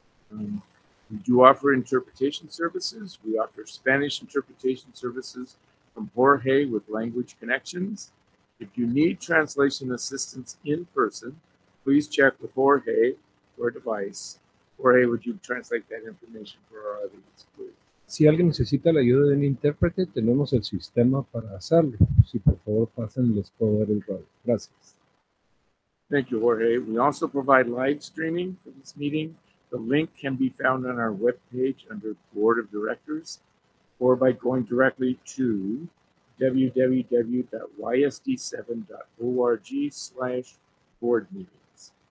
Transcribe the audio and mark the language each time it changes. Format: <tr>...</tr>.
<en>We do offer interpretation services. We offer Spanish interpretation services from Jorge with Language Connections. If you need translation assistance in person, please check with Jorge or device. Jorge, would you translate that information for our audience, please?</en> <es>Si alguien necesita la ayuda de un intérprete, tenemos el sistema para hacerlo. Si por favor pasen, les puedo dar el rol. Gracias.</es> <en>Thank you, Jorge. We also provide live streaming for this meeting. The link can be found on our webpage under Board of Directors or by going directly to www.ysd7.org/boardmeetings.</en>